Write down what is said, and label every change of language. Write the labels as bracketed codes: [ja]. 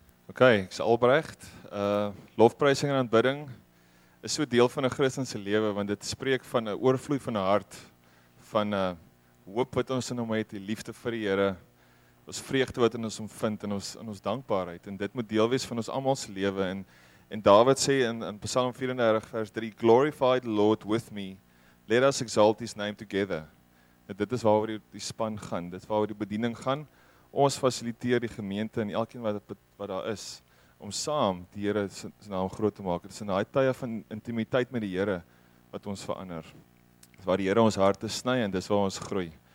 [af] OK, ek is Albrecht. Lofprysing en aanbidding is so deel van 'n Christelike lewe, want dit spreek van 'n oorvloei van 'n hart, van hoop wat ons in hom het, die liefde vir die Here, ons vreugde wat in ons omvind en ons dankbaarheid. En dit moet deel wees van ons almal se lewe. En Dawid sê in Psalm 34 vers 3, [en] glorify the Lord with me, let us exalt his name together. [af] En dit is waaroor die span gaan, dit is waaroor die bediening gaan. Ons fasiliteer die gemeente en elkeen wat daar is, om saam die Here se naam groot te maak. Dit is in daai tye van intimiteit met die Here wat ons verander. Dit is waar die Here ons harte sny en dis waar ons groei.